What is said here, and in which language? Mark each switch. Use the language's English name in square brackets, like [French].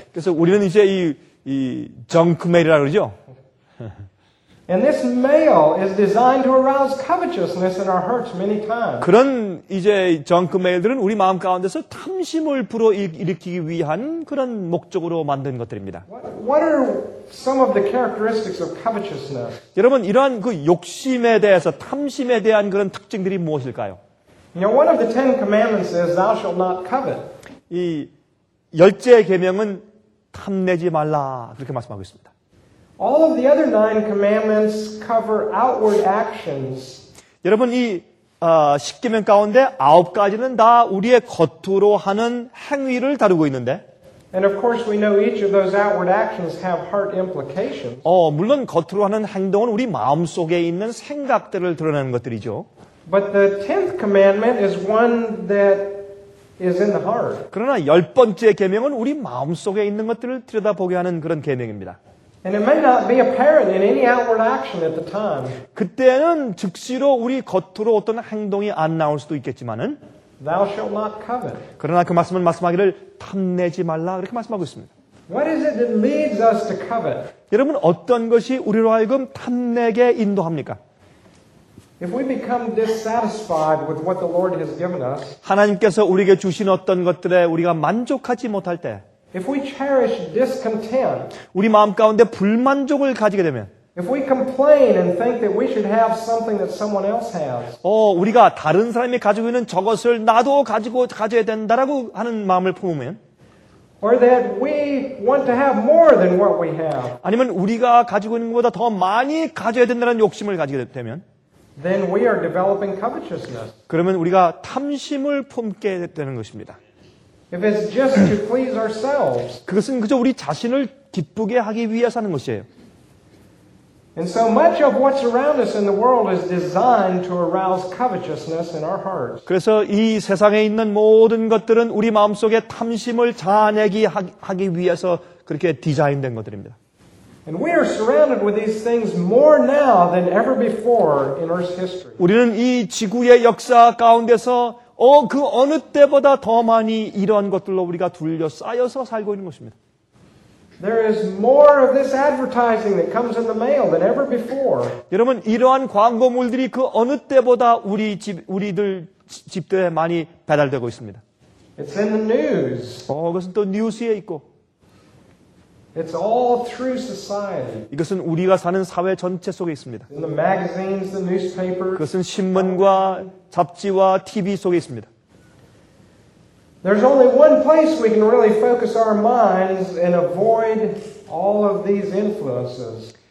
[Korean] 그래서 우리는 이제 이 junk mail이라고 그러죠. [English] And this mail is designed to arouse covetousness in our hearts many times. [Korean] 그런 이제 junk mail들은 우리 마음 가운데서 탐심을 불어일으키기 위한 그런 목적으로 만든 것들입니다. [English] What are some of the characteristics of covetousness? [Korean] 여러분 이러한 그 욕심에 대해서 탐심에 대한 그런 특징들이 무엇일까요? [English] You know, one of the Ten Commandments is thou shalt not covet. [Korean] 이 열째 계명은 탐내지 말라 그렇게 말씀하고 있습니다. [English] All of the other nine commandments cover outward actions. [Korean] 여러분 이 십계명 가운데 아홉 가지는 다 우리의 겉으로 하는 행위를 다루고 있는데. [English] And of course we know each of those outward actions have heart implications. [Korean] 물론 겉으로 하는 행동은 우리 마음 속에 있는 생각들을 드러내는 것들이죠. [English] But the tenth commandment is one that is in the heart. [Korean] 그러나 열 번째 계명은 우리 마음 속에 있는 것들을 들여다보게 하는 그런 계명입니다. [English] And it may not be apparent in any outward action at the time. [Korean] 그때는 즉시로 우리 겉으로 어떤 행동이 안 나올 수도 있겠지만은. [English] Thou shalt not covet. [Korean] 그러나 그 말씀은 말씀하기를 탐내지 말라 이렇게 말씀하고 있습니다. [English] What is it that leads us to covet? [Korean] 여러분 어떤 것이 우리로 하여금 탐내게 인도합니까? [English] If we become dissatisfied with what the Lord has given us, [Korean] 하나님께서 우리에게 주신 어떤 것들에 우리가 만족하지 못할 때, [English] if we cherish discontent, [Korean] 우리 마음 가운데 불만족을 가지게 되면, [English] if we complain and think that we should have something that someone else has, [Korean] 우리가 다른 사람이 가지고 있는 저것을 나도 가져야 된다라고 하는 마음을 품으면, [English] or that we want to have more than what we have, [Korean] 아니면 우리가 가지고 있는 것보다 더 많이 가져야 된다는 욕심을 가지게 되면, [English] then we are developing covetousness. [Korean] 그러면 우리가 탐심을 품게 되는 것입니다. [English] If it's just to please ourselves. [Korean] 그것은 그저 우리 자신을 기쁘게 하기 위해서 하는 것이에요. [English] And so much of what's around us in the world is designed to arouse covetousness in our hearts. [Korean] 그래서 이 세상에 있는 모든 것들은 우리 마음속에 탐심을 자아내기 하기 위해서 그렇게 디자인된 것들입니다. [English] And we are surrounded with these things more now than ever before in Earth's history. [Korean] 우리는 이 지구의 역사 가운데서 그 어느 때보다 더 많이 이러한 것들로 우리가 둘러싸여서 살고 있는 것입니다. [English] There is more of this advertising that comes in the mail than ever before. [Korean] 여러분 이러한 광고물들이 그 어느 때보다 우리들 집들에 많이 배달되고 있습니다. [English] It's in the news. [Korean] 이것은 또 뉴스에 있고. [English] It's all through society. [Korean] 이것은 우리가 사는 사회 전체 속에 있습니다. [English] In the magazines, the newspapers. [Korean] 그것은 신문과 잡지와 TV 속에 있습니다. [English] There's only one place we can really focus our minds and avoid all of these influences.